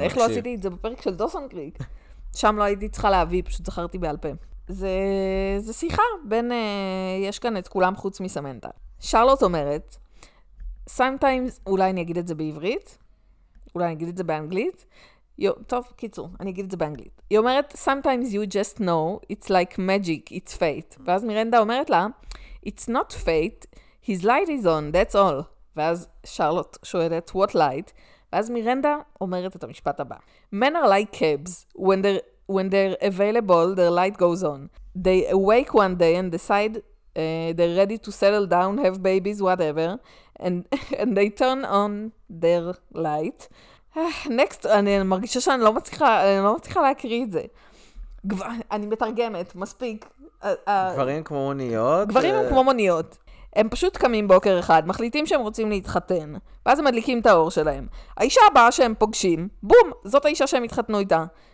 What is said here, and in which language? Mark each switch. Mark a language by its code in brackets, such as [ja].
[he] איך לא עשיתי את זה בפרק של דוסון קריק? שם לא הייתי צריכה להביא, פשוט זכרתי בעל פה. זה שיחה בין, יש כאן את כולם חוץ מסמנטה. שרלוט אומרת, [en] sometimes, [he] אולי אני אגיד את זה בעברית, אולי אני אגיד את זה באנגלית, טוב, קיצור, אני אגיד את זה באנגלית. היא אומרת, [en] sometimes you just know, it's like magic, it's fate. [he] ואז מירנדה אומרת לה, [en] it's not fate, his light is on, that's all. [he] ואז שרלוט שואלת, [en] what light? [he] ואז מירנדה אומרת את המשפט הבא. [en] Men are like cabs. When they're available, their light goes on. They awake one day and decide they're ready to settle down, have babies, whatever. And they turn on their light. [he] Next, אני מרגישה שאני לא מצליחה, להקריא את זה. אני מתרגמת, מספיק. גברים כמו מוניות. הם פשוט קמים בוקר אחד, מחליטים שהם רוצים להתחתן, ואז הם מדליקים את האור שלהם. האישה הבאה שהם פוגשים, בום, זאת האישה שהם התחתנו איתה.